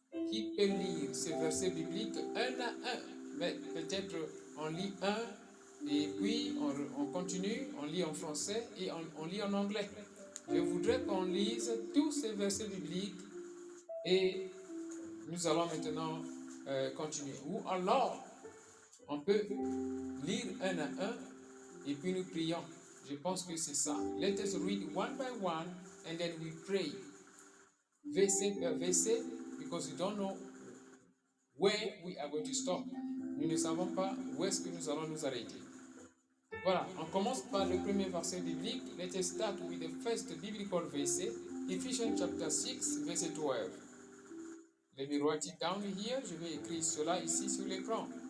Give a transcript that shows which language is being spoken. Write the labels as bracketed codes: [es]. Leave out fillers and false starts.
[fr] Qui peut lire ces versets bibliques un à un? Mais peut-être on lit un et puis on continue, on lit en français et on lit en anglais. Je voudrais qu'on lise tous ces versets bibliques et nous allons maintenant continuer. Ou alors, on peut lire un à un et puis nous prions. Je pense que c'est ça. [en] Let us read one by one and then we pray. [fr] Verset par verset. [en] Because we don't know where we are going to stop. [fr] Nous ne savons pas où est-ce que nous allons nous arrêter. Voilà, on commence par le premier verset biblique. [en] Let us start with the first biblical verset, Ephesians chapter 6, verset 12. Let me write it down here. [fr] Je vais écrire cela ici sur l'écran.